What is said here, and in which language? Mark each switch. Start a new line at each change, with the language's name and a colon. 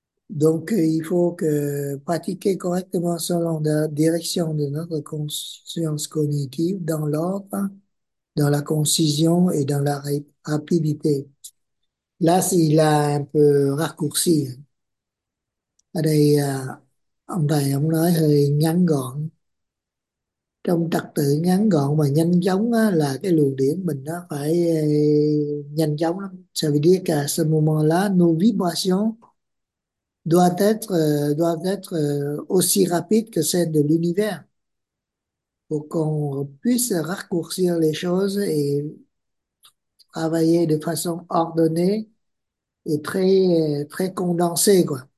French: Donc, il faut que pratiquer correctement selon la direction de notre conscience cognitive dans l'ordre, dans la concision et dans la rapidité. Là, il a un peu raccourci.
Vietnamese: Ở đây, ông thầy ông nói hơi ngắn gọn. Trong trật tự ngắn gọn và nhanh chóng á, là cái luồng điển mình nó phải nhanh chóng lắm.
French: Ça veut dire qu'à ce moment-là, nos vibrations doivent être aussi rapide que celle de l'univers pour qu'on puisse raccourcir les choses et travailler de façon ordonnée et très très condensée, quoi.